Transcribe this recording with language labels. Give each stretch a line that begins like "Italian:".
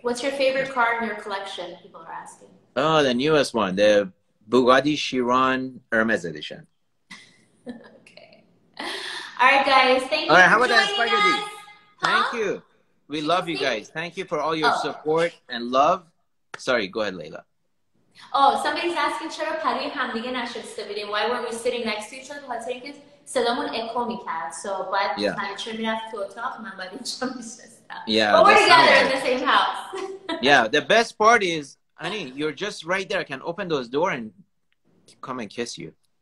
English: What's your favorite car in your collection, people are asking? Oh, the newest one, the Bugatti Chiron Hermes edition. Okay. All right, guys. Thank you. All right, how about that? Huh? Thank you. We love you guys. Thank you for all your support and love. Sorry, go ahead, Layla. Oh, somebody's asking,
Persian: چرا پری همدیگه نشسته بودیم?
English: Why were we sitting next to each other?
Persian: خاطر اینکه صدامون اکو میکرد. So, باید همیچه میرفت تو اتاق, من باید اینجا میشستم.
English: Yeah, but we're together in the same house. Yeah, the best part is, honey, you're just right there. I can open those doors and come and kiss you.